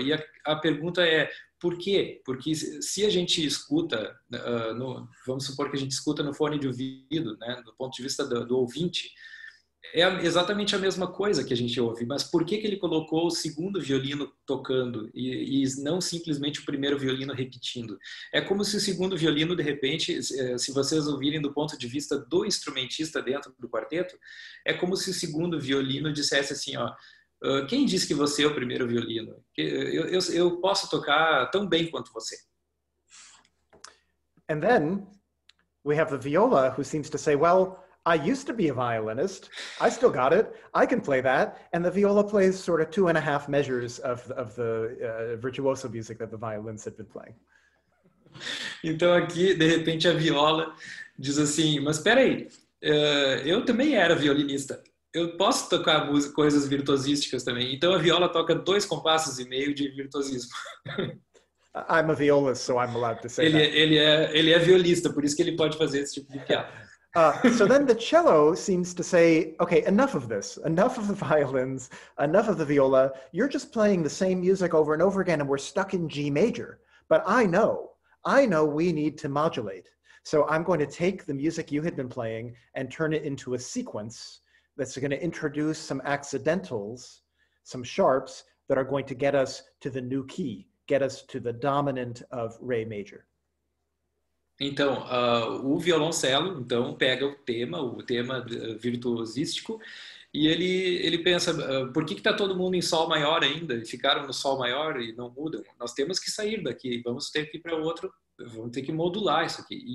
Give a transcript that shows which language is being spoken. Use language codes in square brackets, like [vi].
[pt] E a pergunta é, por quê? Porque se a gente escuta, vamos supor que a gente escuta no fone de ouvido, né, do ponto de vista do ouvinte, é exatamente a mesma coisa que a gente ouve, mas por que que ele colocou o segundo violino tocando e não simplesmente o primeiro violino repetindo? É como se o segundo violino, de repente, se vocês ouvirem do ponto de vista do instrumentista dentro do quarteto, é como se o segundo violino dissesse assim, ó, quem disse que você é o primeiro violino? Eu posso tocar tão bem quanto você. [en] And then, we have the viola, who seems to say, well, I used to be a violinist. I still got it. I can play that. And the viola plays sort of 2.5 measures of the virtuoso music that the violins had been playing. [pt] Então aqui, de repente, a viola diz assim, mas peraí, eu também era violinista. Eu posso tocar música, coisas virtuosísticas também. Então a viola toca 2.5 compassos de virtuosismo. [en] I'm a violist, so I'm allowed to say [pt] ele, [en] that. [pt] Ele é violista, por isso que ele pode fazer esse tipo de piada. [en] So then the cello seems to say, okay, enough of this, enough of the violins, enough of the viola. You're just playing the same music over and over again, and we're stuck in G major. But I know we need to modulate. So I'm going to take the music you had been playing and turn it into a sequence that's going to introduce some accidentals, some sharps that are going to get us to the new key, get us to the dominant of Re major. [pt] Então, o violoncelo, então, pega o tema virtuosístico, e ele pensa, por que está todo mundo em sol maior ainda? Ficaram no sol maior e não mudam? Nós temos que sair daqui, vamos ter que ir para outro, vamos ter que modular isso aqui.